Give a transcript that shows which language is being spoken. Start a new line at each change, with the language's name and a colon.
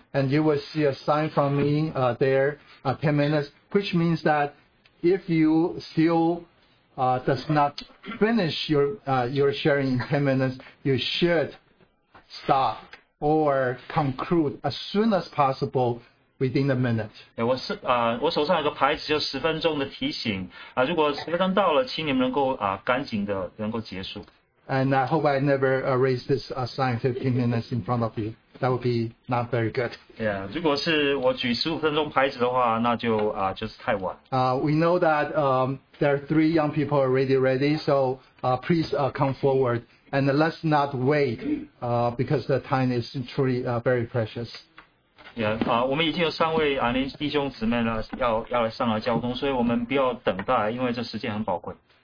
English: And you will see a sign from me ten minutes, which means that if you still does not finish your sharing in 10 minutes, you should stop. Or conclude as soon as possible within a minute.
Chinese: Yeah, 我手上有个牌子，就十分钟的提醒如果十分钟到了，请你们能够赶紧的能够结束。
English: And I hope I never erase this sign 15 minutes in front of you. That would be not very good.
Chinese: Yeah, 如果是我举十五分钟牌子的话，那就就是太晚。
English: We know that there are three young people already ready, so please come forward. And let's not wait, because the time is truly very precious.
Chinese: Yeah, 我们已经有三位弟兄姊妹呢，要来上来交通，所以我们不要等待，因为这时间很宝贵。